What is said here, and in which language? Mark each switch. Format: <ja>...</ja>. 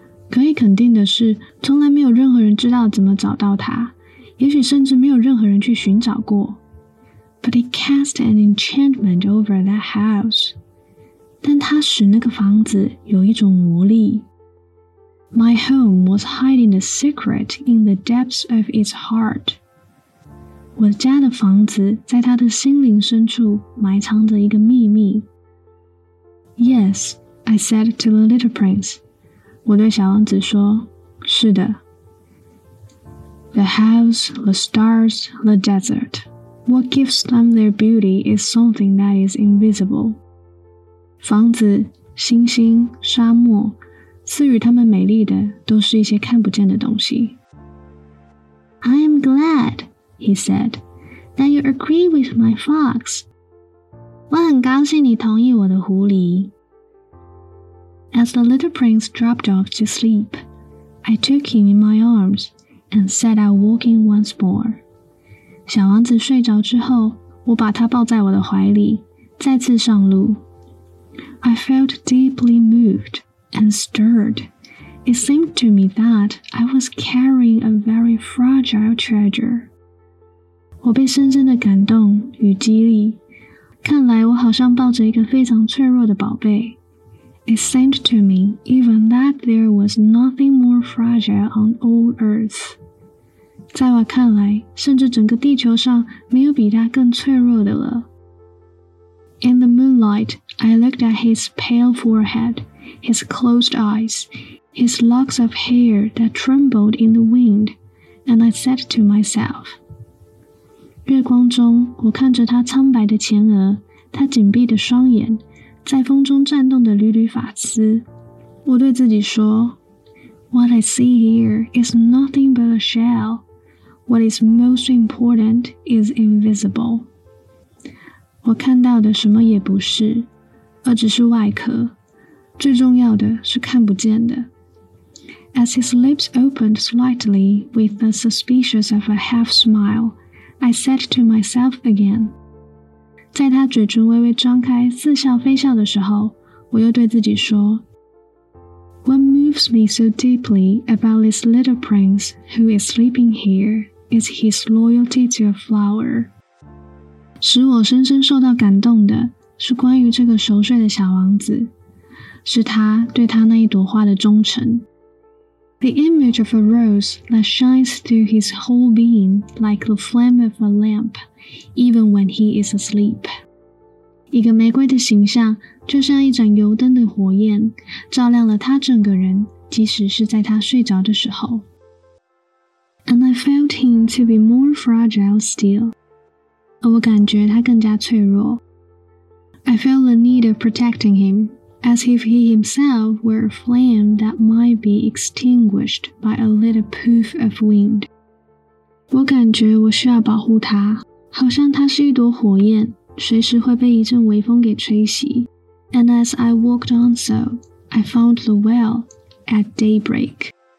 <zh>可以肯定的是，从来没有任何人知道怎么找到它，也许甚至没有任何人去寻找过。</zh> <en>But it cast an enchantment over that house.</en> <zh>但它使那个房子有一种魔力。</zh> <en>My home was hiding a secret in the depths of its heart.</en> <zh>我家的房子在它的心灵深处埋藏着一个秘密。</zh> <en>Yes, I said to the little prince.</en> <zh>我对小王子说，是的。</zh> <en>The house, the stars, the desert. What gives them their beauty is something that is invisible.</en> <zh>房子、星星、沙漠，赐予他们美丽的都是一些看不见的东西。</zh> <en>I am glad, he said, that you agree with my fox.</en> <zh>我很高兴你同意我的狐狸。</zh> <en>As the little prince dropped off to sleep, I took him in my arms and set out walking once more.</en> <zh>小王子睡着之后，我把他抱在我的怀里，再次上路。</zh> <en>I felt deeply moved and stirred. It seemed to me that I was carrying a very fragile treasure.</en> <zh>我被深深的感动与激励，看来我好像抱着一个非常脆弱的宝贝。</zh> <en>It seemed to me even that there was nothing more fragile on all earth.</en> <zh>在我看来，甚至整个地球上没有比它更脆弱的了。</zh> <en>In the moonlight, I looked at his pale forehead, his closed eyes, his locks of hair that trembled in the wind, and I said to myself,</en> <zh>月光中，我看着他苍白的前额，他紧闭的双眼，在风中颤动的缕缕发丝。我对自己说</zh> <en>，What I see here is nothing but a shell. What is most important is invisible.</en> <zh>我看到的什么也不是，而只是外壳。最重要的是看不见的。</zh> <en>As his lips opened slightly with the suspicious of a half smile, I said to myself again.</en> <zh>在他嘴唇微微张开似笑非笑的时候，我又对自己说，</zh> <en>What moves me so deeply about this little prince who is sleeping here? Is his loyalty to a flower.</en> <zh>使我深深受到感动的是关于这个熟睡的小王子，是他对他那一朵花的忠诚。</zh> <en>The image of a rose that shines through his whole being like the flame of a lamp, even when he is asleep.</en> <zh>一个玫瑰的形象就像一盏油灯的火焰，照亮了他整个人，即使是在他睡着的时候。</zh> <en>And I felt him to be more fragile still.</en> <zh>而我感觉他更加脆弱。</zh> <en>I feel the need of protecting him, as if he himself were a flame that might be extinguished by a little puff of wind.</en> <zh>我感觉我需要保护他，好像他是一朵火焰，随时会被一阵微风给吹熄。</zh> <en>And as I walked on so, I found the well at daybreak.</en>